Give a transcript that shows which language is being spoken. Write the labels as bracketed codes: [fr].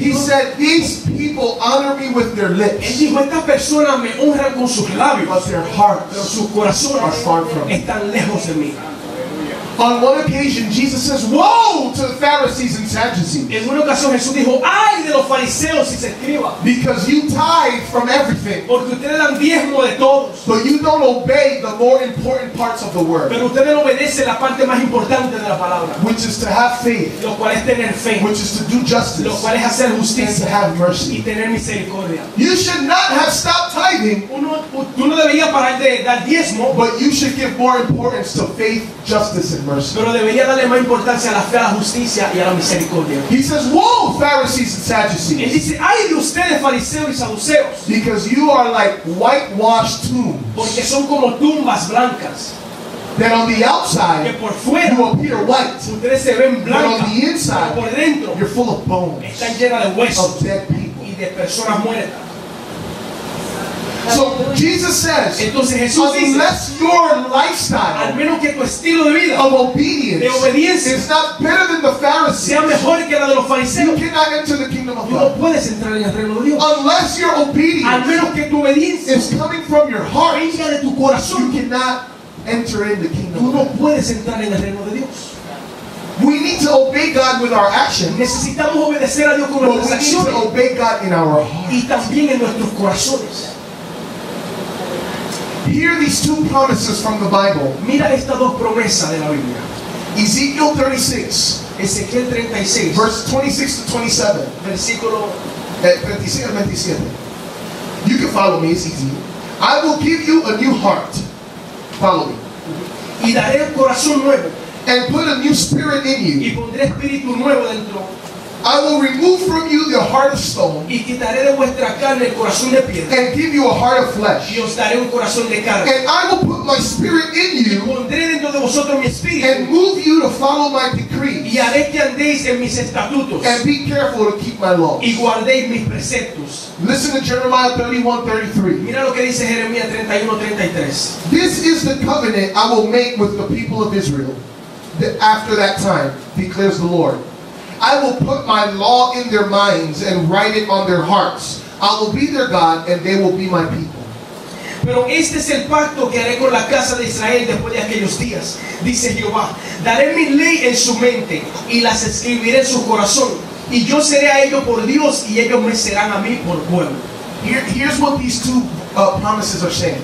[en] He said, these people honor me with their lips. [es] Personas me honran con sus labios, pero sus corazones están lejos de mí. [en] On one occasion, Jesus says, "Woe to the Pharisees and Sadducees!" [es] En una ocasión Jesús dijo, "Ay de los fariseos y escribas!" [en] Because you tithe from everything. [es] Porque ustedes dan diezmo de todos. [en] But you don't obey the more important parts of the word. [es] Pero ustedes no obedecen la parte más importante de la palabra. [en] Which is to have faith. [es] Lo cual es tener fe. [en] Which is to do justice. [es] Lo cual es hacer justicia. [en] And to have mercy. [es] Y tener misericordia. [en] You should not have stopped tithing. [es] Tú no deberías parar de dar diezmo. [en] But you should give more importance to faith, justice, and mercy. [es] Pero debería darle más importancia a la fe, a la justicia y a la misericordia. [en] He says, "Woe, Pharisees and Sadducees!" [es] Él dice, ay de ustedes, fariseos y saduceos. [en] Because you are like whitewashed tombs. [es] Porque son como tumbas blancas. [en] That on the outside, [es] que por fuera, [en] you appear white. [es] Ustedes se ven blancas. [en] But on the inside, [es] por dentro, [en] you're full of bones. [es] Están llenas de huesos. [en] Of dead people. [es] Y de personas muertas. [en] So Jesus says, [es] entonces Jesús dice, [en] unless your lifestyle, [es] al menos que tu estilo de vida, [en] of obedience, [es] de obediencia, [en] is not better than the Pharisees, [es] sea mejor que la de los fariseos, [en] you cannot enter the kingdom of God. [es] No puedes entrar en el reino de Dios. [en] Unless your obedience, [es] al menos que tu obediencia, [en] is coming from your heart, [es] venga de tu corazón, [en] you cannot enter in the kingdom. [es] Tú no puedes entrar en el reino de Dios. [en] We need to obey God with our actions. [es] Necesitamos obedecer a Dios con nuestras acciones. [en] But we need to obey God in our heart. [es] Y también en nuestros corazones. [en] Hear these two promises from the Bible. [es] Mira estas dos promesas de la Biblia. [en] Ezekiel 36. [es] Ezequiel 36. [en] Verse 26 to 27. [es] Versículo [en] 26 and 27. You can follow me, it's easy. I will give you a new heart. Follow me. [es] Y daré un corazón nuevo. [en] And put a new spirit in you. [es] Y pondré espíritu nuevo dentro. [en] I will remove from you the heart of stone, [es] y quitaré de vuestra carne el corazón de piedra, [en] and give you a heart of flesh, [es] y os daré un corazón de carne, [en] and I will put my spirit in you, [es] y pondré dentro de vosotros mi espíritu, [en] and move you to follow my decrees, [es] y haré que andéis en mis estatutos, [en] and be careful to keep my laws, [es] y guardéis mis preceptos. [en] Listen to Jeremiah 31:33. [es] Mira lo que dice Jeremías 31:33. [en] This is the covenant I will make with the people of Israel after that time, declares the Lord. I will put my law in their minds and write it on their hearts. I will be their God and they will be my people. [es] Pero este es el pacto que haré con la casa de Israel después de aquellos días, dice Jehová. Daré mi ley en su mente y las escribiré en su corazón. Y yo seré a ellos por Dios y ellos me serán a mí por pueblo. [en] Here's what these two promises are saying.